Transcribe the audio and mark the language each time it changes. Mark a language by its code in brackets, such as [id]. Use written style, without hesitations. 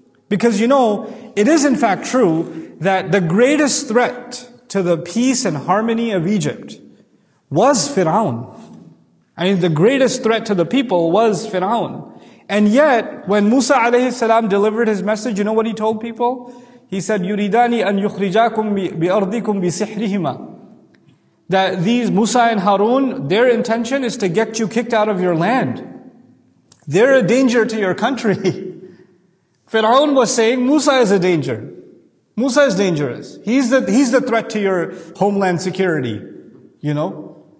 [en] Because you know, it is in fact true that the greatest threat to the peace and harmony of Egypt was Fir'aun. I mean, the greatest threat to the people was Fir'aun. And yet, when Musa alayhi salam delivered his message, you know what he told people? He said, [ar] يُرِيدَانِي أَن يُخْرِجَاكُمْ بِأَرْضِكُمْ بِسِحْرِهِمَا. [en] That these Musa and Harun, their intention is to get you kicked out of your land. They're a danger to your country. Fir'aun was saying, Musa is a danger. Musa is dangerous. He's the threat to your homeland security. You know?